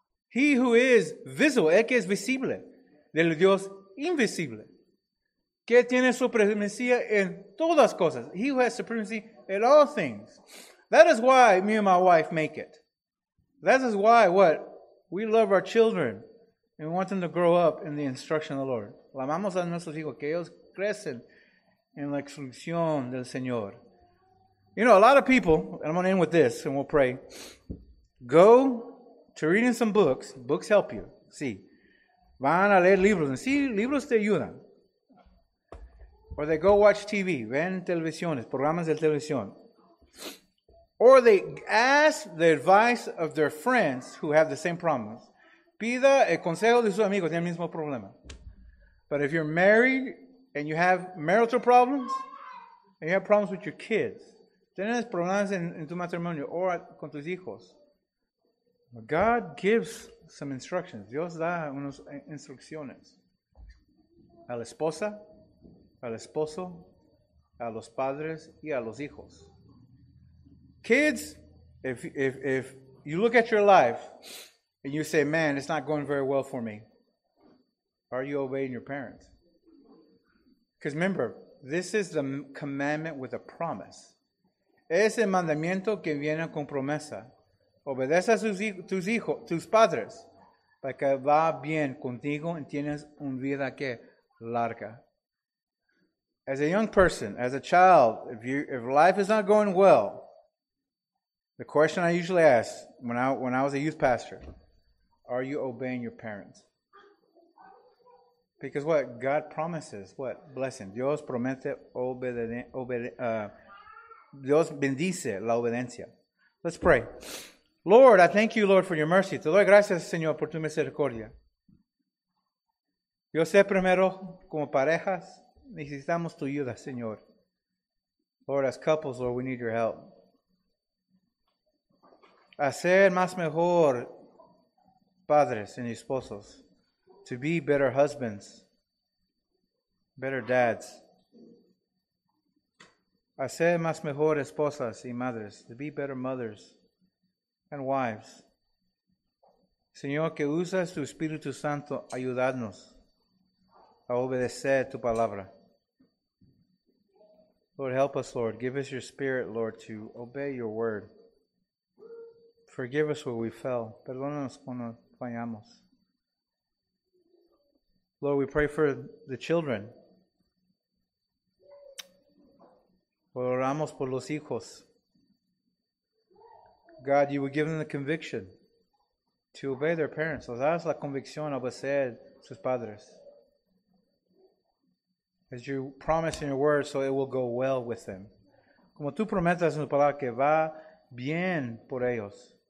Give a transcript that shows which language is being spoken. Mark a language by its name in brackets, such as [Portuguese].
[English] He who is visible, [Spanish] el que es visible, del Dios invisible, que tiene supremacía en todas cosas. [English] He who has supremacy in all things. That is why me and my wife make it. That is why what? We love our children and want them to grow up in the instruction of the Lord. [Spanish] Amamos a nuestros hijos que ellos crecen en la instrucción del Señor. [English] You know, a lot of people, and I'm going to end with this, and we'll pray. Go to reading some books. Books help you. [Spanish] Sí. Van a leer libros. Sí, libros te ayudan. [English] Or they go watch TV. [Spanish] Ven televisiones, programas de televisión. [English] Or they ask the advice of their friends who have the same problems. [Spanish] Pida el consejo de sus amigos del mismo problema. [English] But if you're married and you have marital problems, and you have problems with your kids, [Spanish] tienes problemas en tu matrimonio o con tus hijos. [English] God gives some instructions. [Spanish] Dios da unas instrucciones. A la esposa, al esposo, a los padres y a los hijos. [English] Kids, if you look at your life and you say, man, it's not going very well for me, are you obeying your parents? Because remember, this is the commandment with a promise. [Spanish] Ese mandamiento que viene con promesa. Obedece a tus hijos, tus padres, para que va bien contigo y tienes una vida que larga. [English] As a young person, as a child, if life is not going well, the question I usually ask when I was a youth pastor, are you obeying your parents? Because what? God promises what? Blessing. [Spanish] Dios promete obedecer. Dios bendice la obediencia. [English] Let's pray. Lord, I thank you, Lord, for your mercy. [Spanish] Te doy gracias, Señor, por tu misericordia. Yo sé primero, como parejas, necesitamos tu ayuda, Señor. [English] Lord, as couples, Lord, we need your help. [Spanish] A ser más mejor padres y esposos. [English] To be better husbands. Better dads. [Spanish] A ser más mejor esposas y madres. [English] To be better mothers and wives. [Spanish] Señor, que usas tu Espíritu Santo, ayudarnos a obedecer tu palabra. [English] Lord, help us, Lord. Give us your Spirit, Lord, to obey your word. Forgive us where we fell. [Spanish] Perdónanos cuando fallamos. [English] Lord, we pray for the children. [Spanish] Oramos por los hijos. [English] God, you would give them the conviction to obey their parents. [Spanish] Os das la convicción a obedecer sus padres. [English] As you promise in your word, so it will go well with them. [Spanish] Como tú prometas en tu palabra que va bien por ellos.